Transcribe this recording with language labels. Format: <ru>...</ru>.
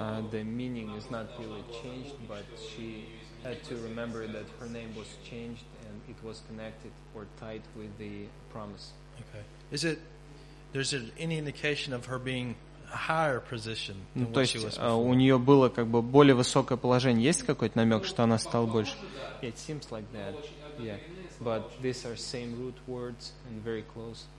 <en>The meaning is not really changed, but she had to remember that her name was changed. It was connected or tied with the promise. Okay. Is it? There's any indication of her being a higher position than</en> <ru>ну,</ru> <en>what</en> <ru>есть,</ru> <en>she was before?</en> <ru>У нее было как бы более высокое положение. Есть какой-то намек, что она стала больше?</ru> <en>It seems like that. Yeah. But these are same root words and very close.</en>